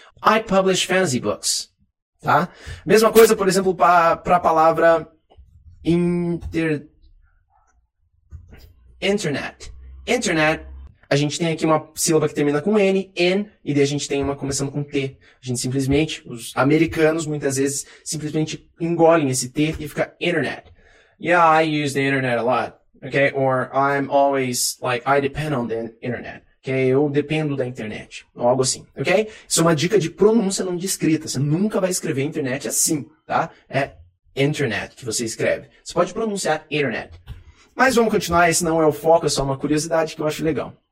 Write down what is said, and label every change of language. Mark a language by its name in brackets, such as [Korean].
[English] I publish fantasy books, [Portuguese] tá? Mesma coisa, por exemplo, para a palavra Internet. Internet, a gente tem aqui uma sílaba que termina com N, N, e daí a gente tem uma começando com T. A gente simplesmente, os americanos muitas vezes, simplesmente engolem esse T e fica Internet. [English] Yeah, I use the Internet a lot, okay? Or I'm always, like, I depend on the Internet, okay? [Portuguese] Eu dependo da internet, ou algo assim, ok? Isso é uma dica de pronúncia, não de escrita. Você nunca vai escrever Internet assim, tá? É Internet que você escreve. Você pode pronunciar Internet. Mas vamos continuar, esse não é o foco, é só uma curiosidade que eu acho legal.